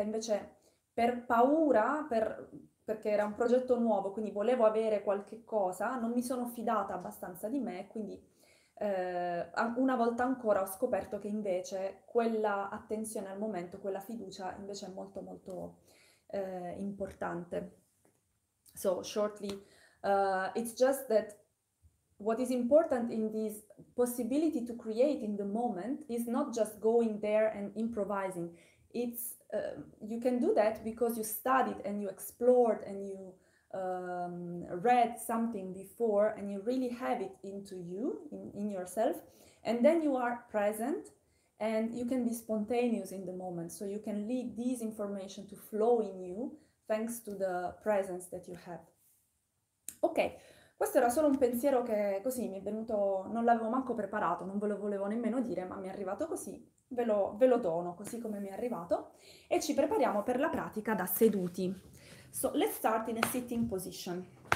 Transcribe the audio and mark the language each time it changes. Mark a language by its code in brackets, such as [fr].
[it] Invece, per paura, perché era un progetto nuovo, quindi volevo avere qualche cosa, non mi sono fidata abbastanza di me, quindi una volta ancora ho scoperto che invece quella attenzione al momento, quella fiducia, invece è molto molto importante. [en] So, shortly. It's just that what is important in this possibility to create in the moment is not just going there and improvising. You can do that because you studied and you explored and you read something before and you really have it into you, in yourself, and then you are present and you can be spontaneous in the moment. So you can lead this information to flow in you thanks to the presence that you have. [it] Ok, questo era solo un pensiero che così mi è venuto, non l'avevo manco preparato, non ve lo volevo nemmeno dire, ma mi è arrivato così, ve lo dono così come mi è arrivato. E ci prepariamo per la pratica da seduti. [en] So, let's start in a sitting position.